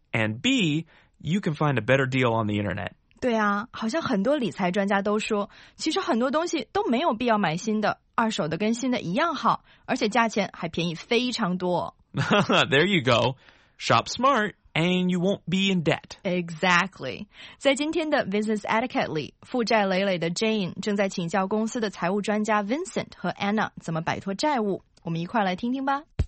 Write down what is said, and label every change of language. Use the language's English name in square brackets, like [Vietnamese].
[English] And B, you can find a better deal on the internet. [Chinese] 对啊，好像很多理财专家都说，其实很多东西都没有必要买新的，二手的跟新的一样好，而且价钱还便宜非常多。 [English] There you go. Shop smart, and you won't be in debt. Exactly. [Chinese] 在今天的 Business Etiquette 里，负债累累的 Jane 正在请教公司的财务专家 Vincent 和 Anna 怎么摆脱债务。我们一块来听听吧。